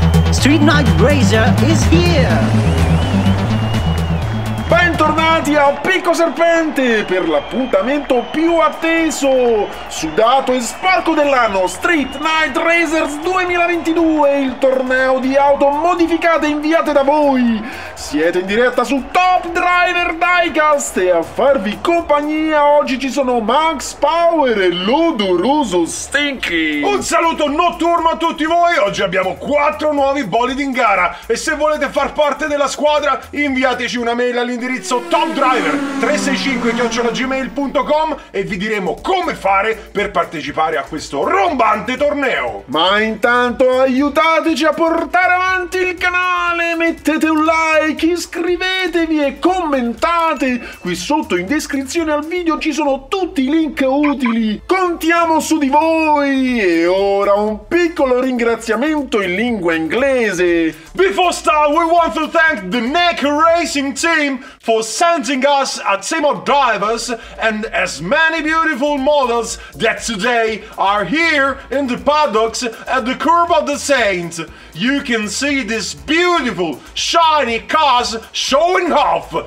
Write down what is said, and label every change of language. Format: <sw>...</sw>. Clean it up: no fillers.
<en>Street Night Racer is here.</en> <it>Bentornati a Picco Serpente per l'appuntamento più atteso, sudato e sporco dell'anno, Street Night Racers 2022, il torneo di auto modificate inviate da voi. Siete in diretta su Top Driver Diecast e a farvi compagnia oggi ci sono Max Power e l'odoroso Stinky. Un saluto notturno a tutti voi, oggi abbiamo 4 nuovi bolidi in gara e se volete far parte della squadra inviateci una mail all'indirizzo topdriver365@gmail.com e vi diremo come fare per partecipare a questo rombante torneo. Ma intanto aiutateci a portare avanti il canale, mettete un like, iscrivetevi e commentate. Qui sotto in descrizione al video ci sono tutti i link utili. Contiamo su di voi. E ora un piccolo ringraziamento in lingua inglese.</it> <en>Before start, we want to thank the NEC Racing Team for sending us a team of drivers and as many beautiful models that today are here in the paddocks at the Curb of the Saint. You can see this beautiful, shiny cars showing off.</en>